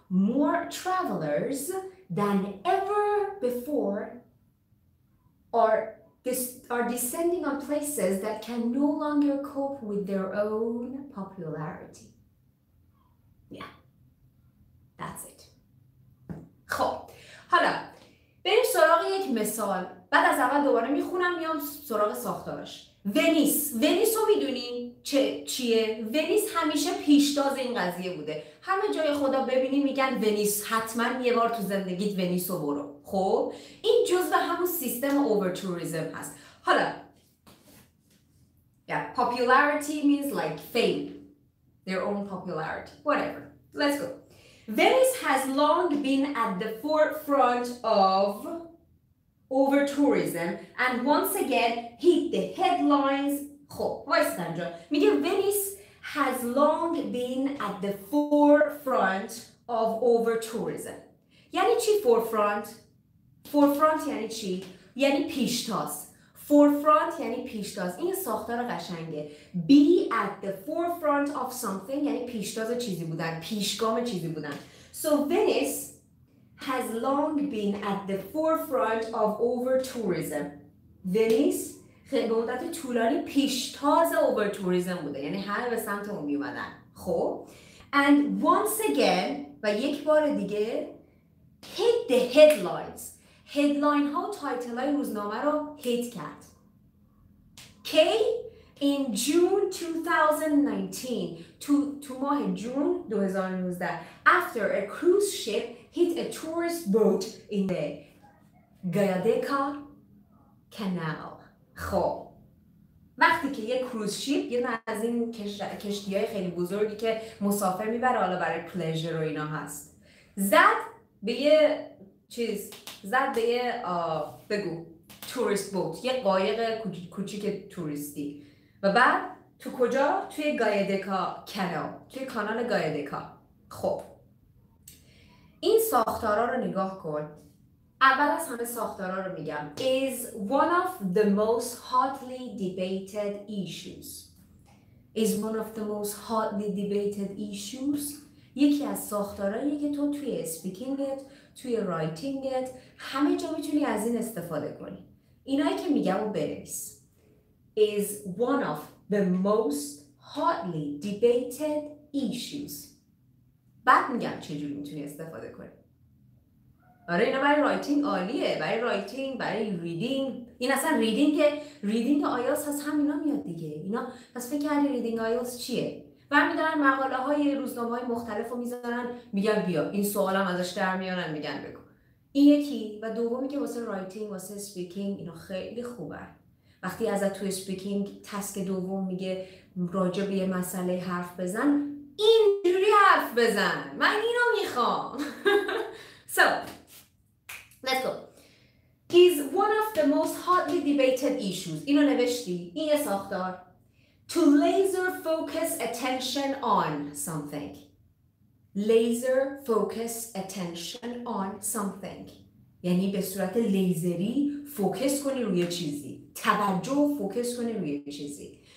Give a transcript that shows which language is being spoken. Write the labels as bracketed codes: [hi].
[en] More travelers than ever before are descending on places that can no longer cope with their own popularity. Yeah, that's it. [fa] خب، حالا بریم سراغ یک مثال. بعد از اول دوباره میخونم میام سراغ ساختارش. ونیس. ونیس رو میدونی چیه؟ ونیس همیشه پیشتاز این قضیه بوده. همه جای خدا ببینی میگن ونیس، حتما یه بار تو زندگیت ونیس رو برو. خب این جزء همون سیستم اوور توریسم هست. حالا [en] yeah, popularity means like fame, their own popularity, whatever. Let's go. Venice has long been at the forefront of over tourism and once again hit the headlines. [fa] خب وایس اینجا میگه [en] Venice has long been at the forefront of over tourism. [fa] یعنی چی forefront؟ forefront یعنی چی؟ یعنی پیشتاز. forefront یعنی پیشتاز. این ساختار قشنگه. [en] be at the forefront of something [fa] یعنی پیشتاز چیزی بودن، پیشگام چیزی بودن. [en] so Venice has long been at the forefront of over tourism. [fa] Venice خیلی به مدت طولانی پیشتاز over tourism بوده، یعنی هر به سمت اون میومدن. خب [en] and once again [fa] و یک بار دیگه [en] hit the headlines. [fa] هیدلاین ها و تایتل های روزنامه رو هیت کرد. کی؟ این جون 2019. تو ماه جون [en] 2019. After a cruise ship hit a tourist boat in the Giudecca canal. خب. [fa] وقتی که یه کروز شیپ، یه نه از این کشتی های خیلی بزرگی که مسافر میبره حالا برای پلیژر و اینا هست. زد به یه چیز، زد به یه بگو تورست بوت، یه قایق کوچیک توریستی، و بعد تو کجا؟ توی گایدکا کانال، توی کانال گایدکا. خب این ساختارا رو نگاه کن. اول از همه ساختارا رو میگم. [en] Is one of the most hotly debated issues. Is one of the most hotly debated issues. [fa] یکی از ساختارایی که تو توی speakingت، توی writingت، همه جا میتونی از این استفاده کنی. اینایی که میگم رو بنویس. Is one of the most hotly debated issues. بعد میگم چجوری میتونی استفاده کنی. آره اینا برای رایتینگ عالیه، برای رایتینگ، برای ریدینگ. این اصلا ریدینگ، ریدینگ آیلتس از همینا میاد دیگه. اینا پس فکر کردی ریدینگ آیلتس چیه؟ برمیدارن مقاله های روزنامه های مختلف رو میذارن، میگن بیا این سوال هم ازش در میارن، میگن بگو. این یکی. و دومی که واسه رایتینگ، واسه سپیکینگ اینا خیلی خوبه. وقتی از تو سپیکینگ تسک دوم میگه راجع به یه مسئله حرف بزن، اینجوری حرف بزن، من اینو میخوام. [en] So, let's go. He's one of the most hotly debated issues. [fa] اینو نوشتی؟ این یه ساختار. [en] To laser focus attention on something. Laser focus attention on something. [fa] یعنی به صورت لیزری فوکس کنی روی چیزی. توجه فوکس کنی روی چیزی.